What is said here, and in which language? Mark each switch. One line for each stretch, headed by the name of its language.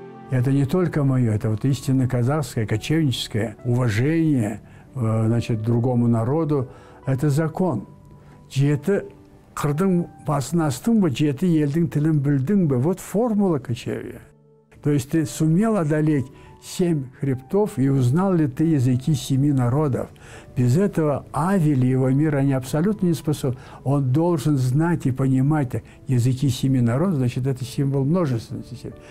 Russian: Это не только мое, это вот истинно казахское, кочевническое уважение, значит, другому народу. Это закон.
Kazakh: Жеті қырдың басын астың ба, жеті елдің тілін білдің ба.
Russian: Вот формула кочевья. То есть ты сумел одолеть семь хребтов, и узнал ли ты языки семи народов. Без этого Авель и его мир, они абсолютно не способны. Он должен знать и понимать языки семи народов, значит, это символ множественности.